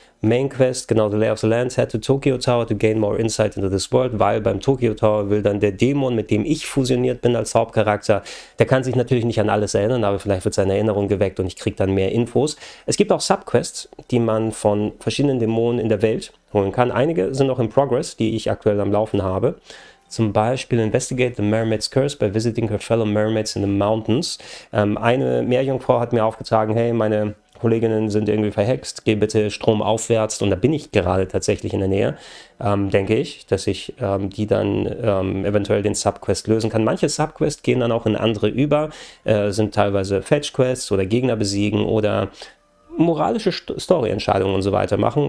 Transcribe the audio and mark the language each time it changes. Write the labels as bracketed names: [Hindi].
[German] Main Quest, genau, [English] The Lay of the Land, Head to Tokyo Tower to gain more insight into this world, [German] weil beim Tokyo Tower will dann der Dämon, mit dem ich fusioniert bin als Hauptcharakter, der kann sich natürlich nicht an alles erinnern, aber vielleicht wird seine Erinnerung geweckt und ich kriege dann mehr Infos. Es gibt auch Subquests, die man von verschiedenen Dämonen in der Welt holen kann. Einige sind noch in Progress, die ich aktuell am Laufen habe. Zum Beispiel [English] Investigate the Mermaid's Curse by visiting her fellow mermaids in the mountains. [German] Eine Meerjungfrau hat mir aufgetragen, hey, meine Kolleginnen sind irgendwie verhext, geh bitte stromaufwärts. Und da bin ich gerade tatsächlich in der Nähe, denke ich, dass ich die dann eventuell den Subquest lösen kann. Manche Subquests gehen dann auch in andere über, sind teilweise Fetch-Quests oder Gegner besiegen oder moralische Story-Entscheidungen und so weiter machen.